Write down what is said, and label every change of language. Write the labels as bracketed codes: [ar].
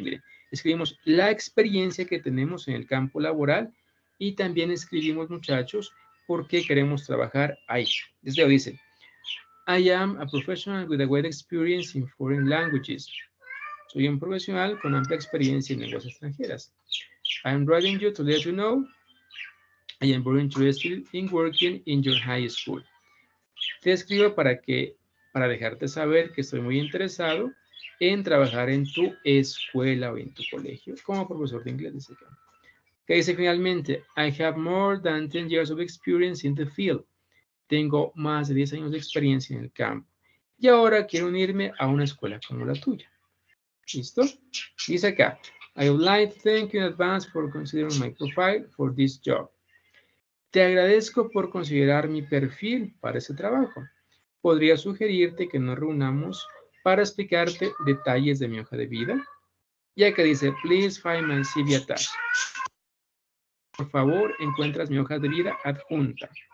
[es] Miren, escribimos la experiencia que tenemos en el campo laboral y también escribimos, muchachos, por qué queremos trabajar ahí. Desde hoy dice, [en] I am a professional with a wide experience in foreign languages. [es] Soy un profesional con amplia experiencia en lenguas extranjeras. [en] I am writing you to let you know I am very interested in working in your high school. [es] Te escribo para dejarte saber que estoy muy interesado en trabajar en tu escuela o en tu colegio como profesor de inglés. ¿Qué dice finalmente? [en] I have more than 10 years of experience in the field. [es] Tengo más de 10 años de experiencia en el campo. Y ahora quiero unirme a una escuela como la tuya. ¿Listo? Dice acá, [en] I would like to thank you in advance for considering my profile for this job. [es] Te agradezco por considerar mi perfil para ese trabajo. ¿Podría sugerirte que nos reunamos para explicarte detalles de mi hoja de vida? Ya que dice, [en] please find my CV attached. [es] Por favor, encuentras mi hoja de vida adjunta.